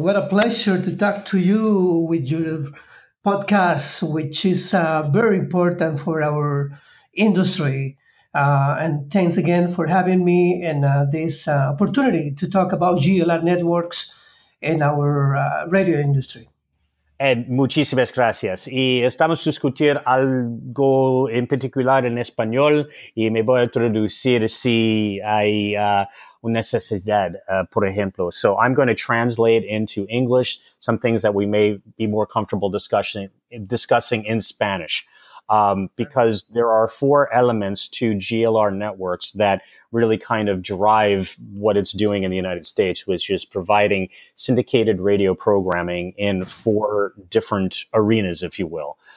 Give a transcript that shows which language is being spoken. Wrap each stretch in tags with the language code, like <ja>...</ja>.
<en>What a pleasure to talk to you with your podcast, which is very important for our industry. And thanks again for having me and this opportunity to talk about GLR Networks and our radio industry.</en> <es>Muchísimas gracias. Y estamos discutir algo en particular en español y me voy a traducir si hay una necesidad, por ejemplo.</es> <en>So I'm going to translate into English some things that we may be more comfortable discussing in Spanish, because there are four elements to GLR Networks that really kind of drive what it's doing in the United States, which is providing syndicated radio programming in four different arenas, if you will.</en>